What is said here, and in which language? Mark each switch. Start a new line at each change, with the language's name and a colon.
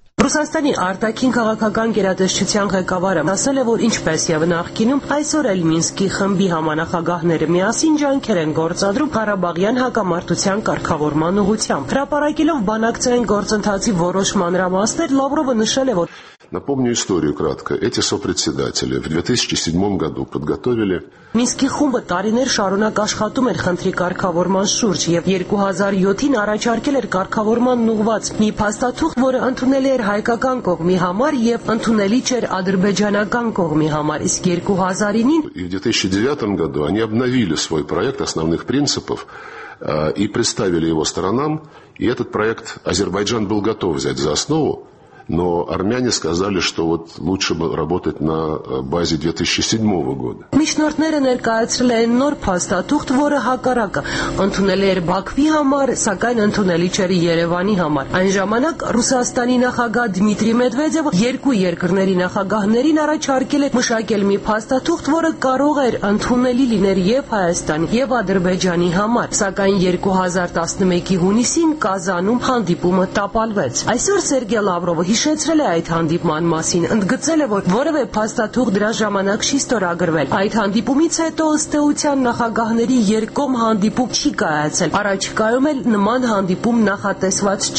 Armenian: Ռուսաստանի արտաքին քաղաքական գերատեսչության ղեկավարը ասել է, որ ինչպես եւ նախկինում այսօր էլ Մինսկի խմբի համանախագահները միասին ջանքեր են գործադրում Ղարաբաղյան հակամարտության կարգավորման ուղղությամբ։ Հրապարակելով բանակցային գործընթացի որոշ մանրամասներ, Լավրովը նշել է, որ
Russian: Напомню историю кратко. Эти сопредседатели в 2007 году подготовили
Armenian: Минский խումբը տարիներ շարունակ աշխատում էր քնտրի կարգավորման շուրջ եւ 2007-ին առաջարկել էր կարգավորման ուղված մի փաստաթուղթ, որը ընդունել էր հայկական կողմի համար եւ ընդունելի չէր ադրբեջանական կողմի համար, իսկ 2009-ին
Russian: и в 2009 году они обновили свой проект основных принципов и представили его сторонам, и этот проект Азербайджан был готов взять за основу. Но армяне сказали, что вот лучше бы работать на базе 2007 года.
Armenian: Միջնորդները ներկայացրել են նոր փաստաթուղթ, որը հակառակը ընդունել էր Բաքվի համար, սակայն ընդունելի չէր Երևանի համար։ Այն ժամանակ Ռուսաստանի նախագահ Դմիտրի Մեդվեդևը երկու երկրների նախագահներին առաջարկել էր մշակել մի փաստաթուղթ, որը կարող էր ընդունելի լիներ եւ Հայաստանի, եւ Ադրբեջանի համար, սակայն 2011-ի հունիսին Կազանում հանդիպումը տապալվեց։ Այսօր Սերգեյ Լավրովը հիշեցրել է այդ հանդիպման մասին, ընդգծել է, որ որևէ փաստաթուղթ դրա ժամանակ չի ստորագրվել։ Այդ հանդիպումից հետո ըստեղության նախագահների երկկողմ հանդիպում չի կայացել, առաջկայում էլ նման հանդիպում նախատեսված